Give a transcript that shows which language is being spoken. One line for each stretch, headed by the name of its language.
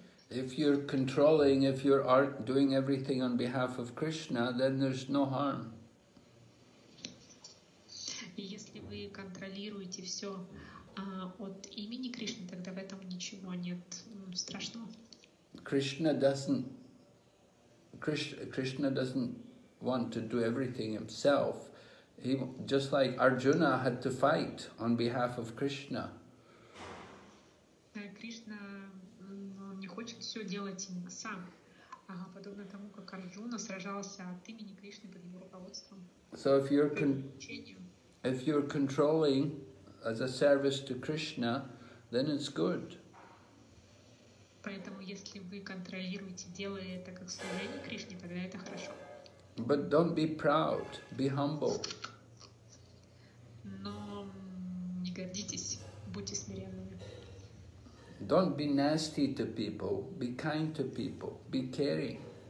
English: If you're controlling, if you are doing everything on behalf of Krishna, then there's no harm.
Russian: Если вы контролируете все от имени Кришны, тогда в этом ничего нет страшного.
English: Krishna doesn't want to do everything himself. He just like Arjuna had to fight on behalf of Krishna.
Russian: Кришна не хочет все делать сам. Ага, подобно тому, как Арджуна сражался от имени Кришны под его руководством.
English: So if you're controlling as a service to Krishna, then it's good.
Russian: Поэтому если вы контролируете, делая это как служение Кришне, тогда это хорошо.
English: But don't be proud, be humble.
Russian: Но не гордитесь, будьте смиренными.
English: Don't be nasty to people, be kind to people, be caring.